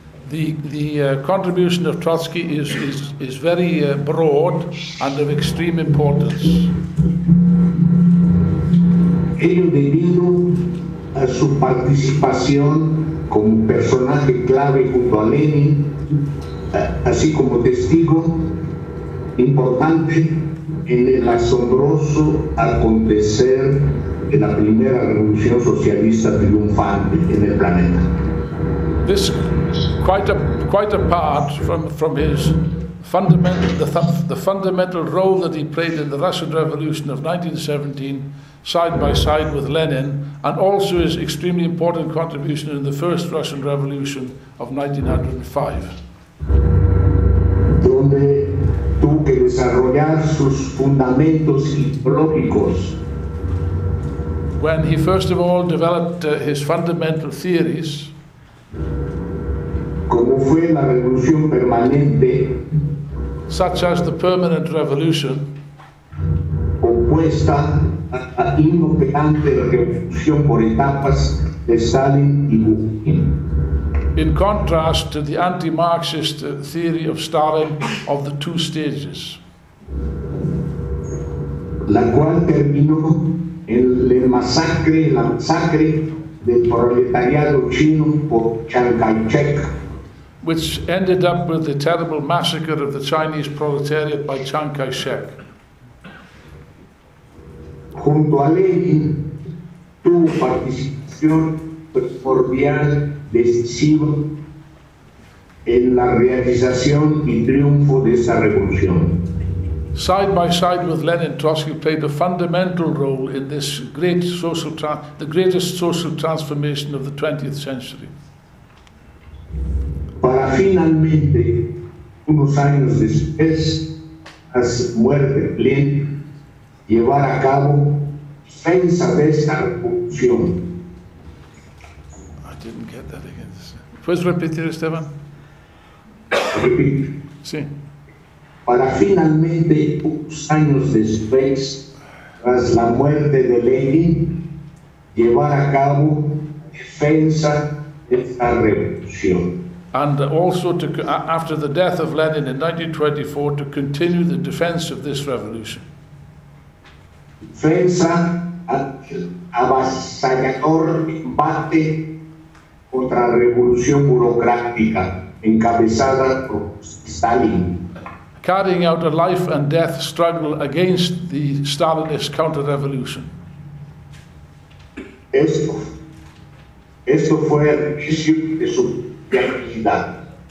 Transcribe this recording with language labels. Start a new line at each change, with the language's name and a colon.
English: The contribution of Trotsky is very broad and of extreme importance.
Spanish: Ello debido a su participación como personaje clave junto a Lenin, así como testigo importante en el asombroso acontecer de la primera revolución socialista triunfante en el planeta.
English: This quite apart from his fundamental role that he played in the Russian Revolution of 1917, side by side with Lenin, and also his extremely important contribution in the first Russian Revolution of 1905.
Spanish: Donde tuvo que desarrollar sus fundamentos ideológicos.
English: When he first of all developed his fundamental theories,
Spanish: como fue la revolución permanente,
English: such as the permanent revolution,
Spanish: opuesta a la inoperante revolución por etapas de Stalin y Bukharin.
English: In contrast to the anti-Marxist theory of Stalin of the two stages.
Spanish: La cual terminó en el masacre del proletariado chino por Chiang Kai-shek.
English: Which ended up with the terrible massacre of the Chinese proletariat by Chiang Kai-shek.
Spanish: Junto a Lenin tuvo participación primordial decisivo en la realización y triunfo de esa revolución.
English: Side by side with Lenin, Trotsky played a fundamental role in this great social the greatest social transformation of the 20th century.
Spanish: Para finalmente, unos años después, a su muerte, Lenin llevar a cabo defensa de esa revolución.
English: didn't get that again.
Spanish: Puedes repetir, Esteban? Sí. Para finalmente unos años después, tras la muerte de Lenin, llevar a cabo defensa de esta revolución.
English: And also to, after the death of Lenin in 1924, to continue the defense of this revolution.
Spanish: Defensa al avasallador embate contra la revolución burocrática encabezada por Stalin.
English: Carrying out a life and death struggle against the Stalinist counter-revolution.
Spanish: Esto fue el inicio de su actividad.